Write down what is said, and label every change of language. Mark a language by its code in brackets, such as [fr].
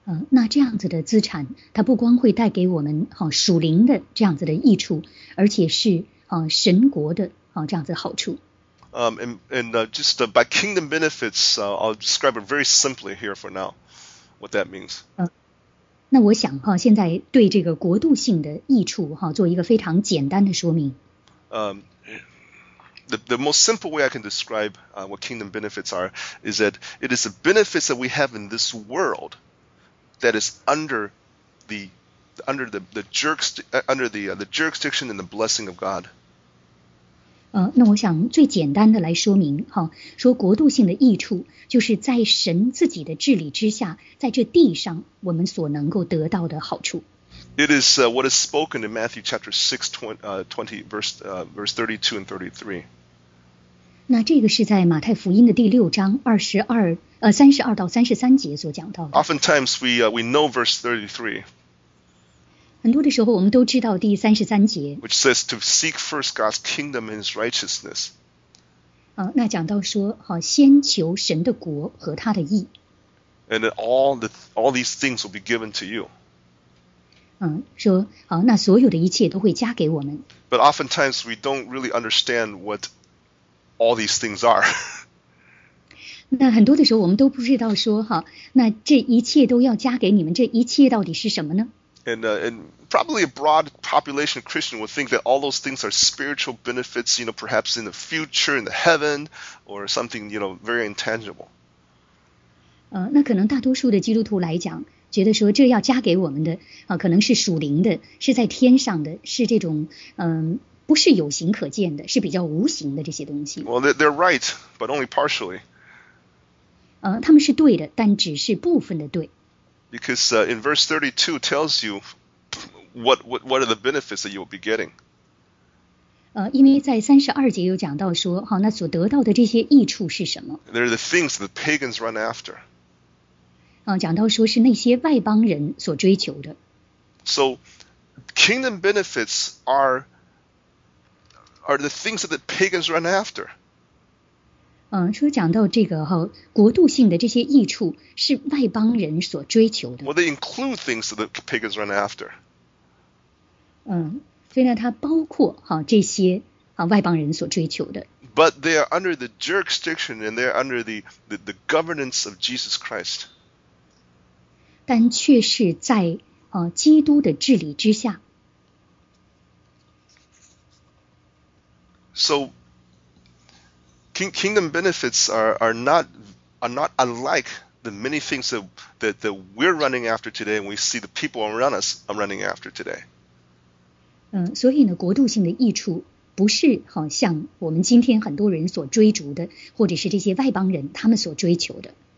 [zh] 那这样子的资产，它不光会带给我们属灵的这样子的益处，而且是神国的这样子的好处。 [en] By kingdom benefits, I'll describe it very simply here for now, what that means. [zh] 那我想现在对这个国度性的益处做一个非常简单的说明。 [en] The most simple way I can describe what kingdom benefits are is that it is the benefits that we have in this world that is under the jurisdiction and the blessing of God. [zh] 那我想最简单的来说明说国度性的益处就是在神自己的治理之下在这地上我们所能够得到的好处。 [en] It is what is spoken in Matthew chapter 6, 20 verse 32 and 33. [zh] 那这个是在马太福音的第六章32到33节所讲到的。 [en] Oftentimes we know verse 33. [zh] 很多的时候我们都知道第33节 [en] which says to seek first God's kingdom and his righteousness. [zh] 那讲到说先求神的国和他的义。 [en] And then all these things will be given to you. [zh] 说那所有的一切都会加给我们。 [en] But oftentimes we don't really understand what all these things are. [zh] 那很多的时候我们都不知道说那这一切都要加给你们这一切到底是什么呢？ [en] And probably a broad population of Christians would think that all those things are spiritual benefits, you know, perhaps in the future, in the heaven, or something, you know, very intangible. [zh] 那可能大多数的基督徒来讲，觉得说这要加给我们的，可能是属灵的，是在天上的，是这种不是有形可见的，是比较无形的这些东西。 [en] Well, they're right, but only partially. [zh] 他们是对的，但只是部分的对。 [en] Because in verse 32 tells you what are the benefits that you will be getting. [zh] 因为在32节有讲到说，好，那所得到的这些益处是什么？ [en] They're the things that the pagans run after. [zh] 讲到说是那些外邦人所追求的。 [en] So, kingdom benefits are the things that the pagans run after. [zh] 说讲到这个哈，国度性的这些益处是外邦人所追求的。 [en] Well, they include things that the pagans run after. [zh] 所以呢，它包括哈这些啊外邦人所追求的。 [en] But they are under the jurisdiction and they are under the governance of Jesus Christ. [zh] 但却是在基督的治理之下。 [en] So, kingdom benefits are not unlike the many things that we're running after today, and we see the people around us are running after today. [zh] 所以呢，国度性的益处不是好像我们今天很多人所追逐的，或者是这些外邦人他们所追求的。